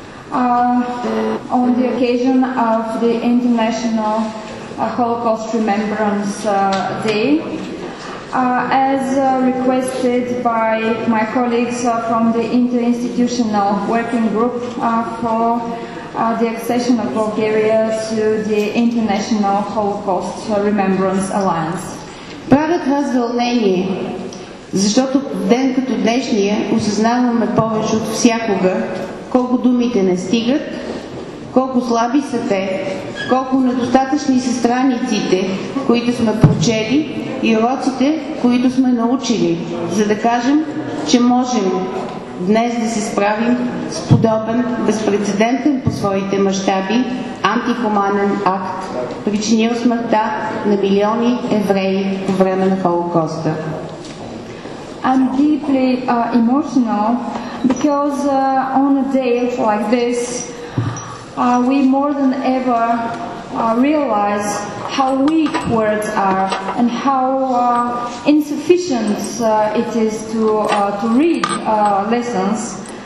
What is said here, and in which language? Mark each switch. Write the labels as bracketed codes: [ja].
[en] on the occasion of the International Holocaust Remembrance Day, as requested by my colleagues from the Interinstitutional Working Group for the accession of Bulgaria to the International Holocaust Remembrance Alliance. [bg] Правя това с вълнение, защото ден като днешния осъзнаваме повече от всякога колко думите не стигат, колко слаби са те, колко недостатъчни са страниците, които сме прочели и уроците, които сме научили, за да кажем, че можем днес да се справим с подобен, безпрецедентен по своите мащаби антихуманен акт, причинил смъртта на милиони евреи по време на Холокоста. [en] I'm deeply emotional because on a day like this we more than ever realize how weak words are and how insufficient it is to read lessons